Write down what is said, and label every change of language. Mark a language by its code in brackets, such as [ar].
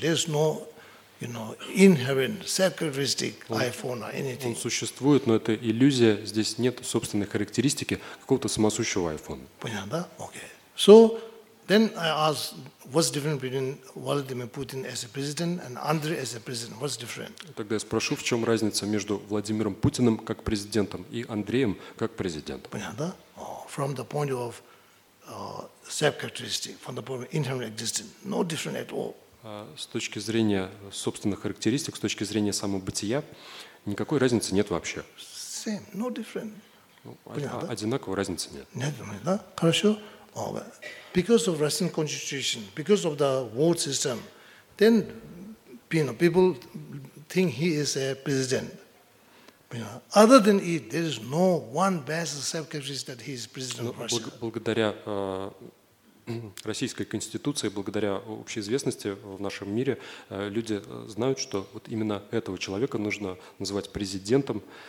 [en] There's no you know, inherent, set characteristic iPhone or anything. [ru] Он существует, но это иллюзия. Здесь нет собственной характеристики какого-то самосущего iPhone. Понятно, да? [en] Okay. So, then I ask, what's different between Vladimir Putin as a president and Andrei as a president? What's different? [ru] Тогда я спрошу, в чем разница между Владимиром Путиным как президентом и Андреем как президентом? Понятно, да? [en] From the point of set characteristic, from the point of inherent existence, no different at all. [ru] С точки зрения собственных характеристик, с точки зрения самобытия, никакой разницы нет вообще. [en] Same, no different. [ru] Одинаковой разницы нет. Нет, да? Хорошо. [en] Because of Russian constitution, because of the vote system, then you know, people think he is a president. Other than it, there is no one basic self-characteristic that he is president of Russia. [ru] Благодаря Российской Конституции, благодаря общей известности в нашем мире, люди знают, что вот именно этого человека нужно называть президентом.